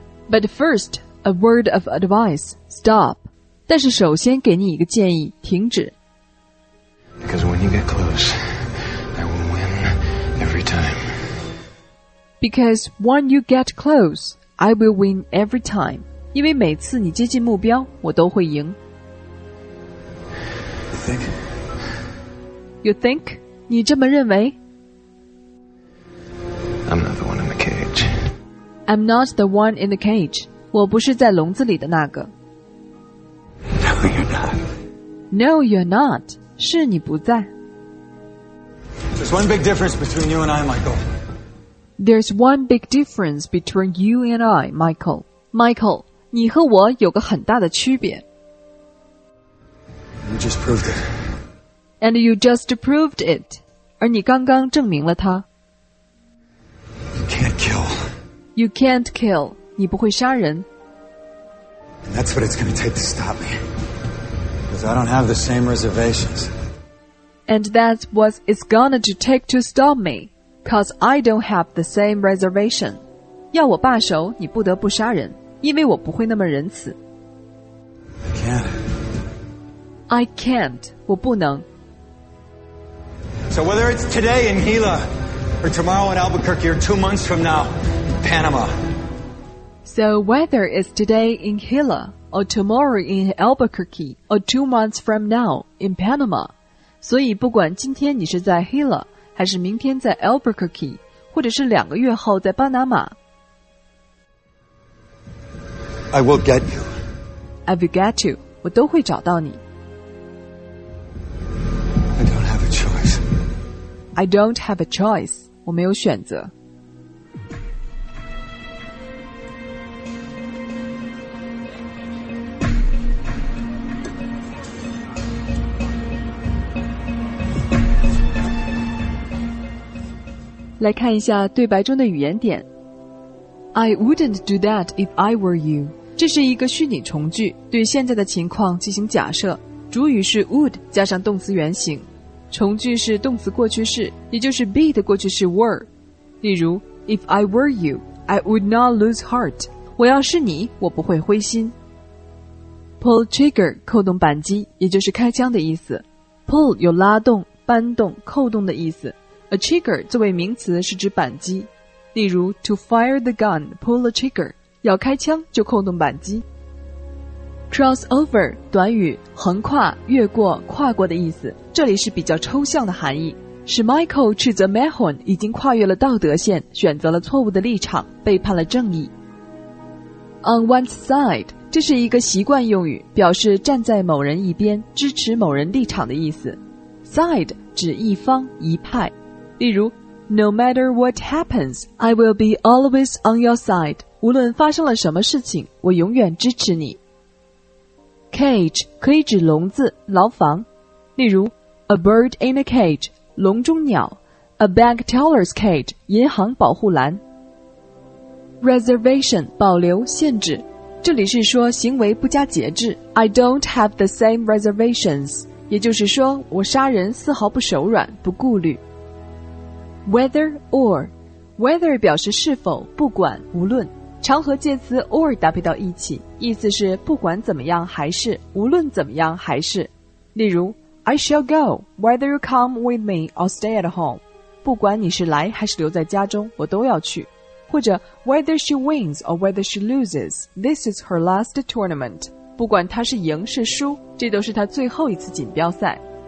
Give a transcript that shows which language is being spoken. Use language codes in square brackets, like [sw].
[en] But first, a word of advice, stop. [zh] 但是首先给你一个建议，停止。 [en] Because when you get close, I will win every time. Because when you get close, I will win every time. [zh] 因为每次你接近目标，我都会赢。 [en] You think? [zh] 你这么认为？ [en] I'm not the one in the cage. [zh] 我不是在笼子里的那个。 [en] No, you're not. No, you're not. [zh] 是你不在。 [en] There's one big difference between you and I, Michael. There's one big difference between you and I, Michael. [zh] Michael, 你和我有个很大的区别。 [en] You just proved it. And you just proved it. [zh] 而你刚刚证明了它。 [en] You can't kill. You can't kill. [zh] 你不会杀人。 [en] And that's what it's going to take to stop me. Because I don't have the same reservations. And that's what it's going to take to stop me. Because I don't have the same reservation. [zh] 要我罢手，你不得不杀人，因为我不会那么仁慈。 [en] I can't. [zh] 我不能。 [en] So whether it's today in Gila, or tomorrow in Albuquerque, or 2 months from now,Panama. So whether it's today in Gila, or tomorrow in Albuquerque, or 2 months from now in Panama. [zh] 所以不管今天你是在 Gila, 还是明天在 Albuquerque, 或者是两个月后在巴拿马。 [en] I will get you. I will get you. [zh] 我都会找到你。 [en] I don't have a choice. I don't have a choice. [zh] 我没有选择。来看一下对白中的语言点。 [en] I wouldn't do that if I were you. [zh] 这是一个虚拟从句，对现在的情况进行假设。主语是 would 加上动词原形，从句是动词过去式，也就是 be 的过去式 were。 [en] 例如 ，If I were you, I would not lose heart. [zh] 我要是你，我不会灰心。 [en] Pull trigger [zh] 扣动扳机，也就是开枪的意思。 Pull 有拉动、扳动、扣动的意思。 [en] A trigger [zh] 作为名词是指扳机，例如 [en] To fire the gun, pull a trigger. [zh] 要开枪就扣动扳机。 Cross over 短语，横跨、越过、跨过的意思，这里是比较抽象的含义，是 Michael 斥责 Mahon 已经跨越了道德线，选择了错误的立场，背叛了正义。 [en] On one's side [zh] 这是一个习惯用语，表示站在某人一边，支持某人立场的意思。 Side 指一方、一派。 [en] 例如 No matter what happens, I will be always on your side. [zh] 无论发生了什么事情，我永远支持你。 Cage 可以指笼子、牢房。 [en] 例如 A bird in a cage, [zh] 笼中鸟。 [en] A bank teller's cage, [zh] 银行保护栏。 Reservation 保留、限制。这里是说行为不加节制。 [en] I don't have the same reservations. [zh] 也就是说我杀人丝毫不手软、不顾虑。 [en] Whether or, [zh] whether 表示是否、不管、无论，常和介词 or 搭配到一起，意思是不管怎么样还是，无论怎么样还是。例如 [en] I shall go, whether you come with me or stay at home. [zh] 不管你是来还是留在家中，我都要去。 [en] 或者 whether she wins or whether she loses, this is her last tournament. [zh] 不管他是赢是输，这都是他最后一次锦标赛。